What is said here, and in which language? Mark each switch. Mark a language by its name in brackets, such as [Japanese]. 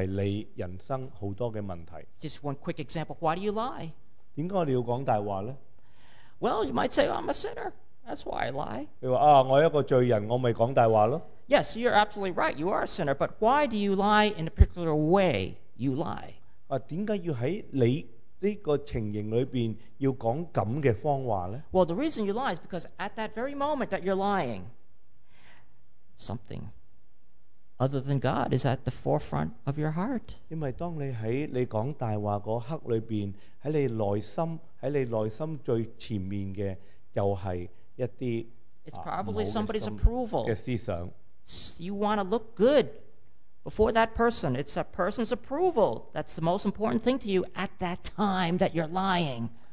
[Chinese] 就是在这个内心里面，就会冲击着你的，会不会是你人生很多的问题。 [English] Just one quick example, why do you lie? [Chinese] 为什么我们要说谎呢？ [English] Well, you might say, I'm a sinner, that's why I lie. [Chinese] 你说，我是一个罪人，我就说谎。 [English] Yes, you're absolutely right, you are a sinner, but why do you lie in a particular way you lie? [Chinese] 为什么要在你这个情形里面要说这样的谎话呢？ [English] Well, the reason you lie is because at that very moment that you're lying, something other than God is at the forefront of your heart. [Chinese] 因为当你在你说谎话那一刻里面，在你内心最前面的就是一些 [English] It's probably somebody's approval. You want to look good before that person. It's a person's approval that's the most important thing to you at that time that you're lying.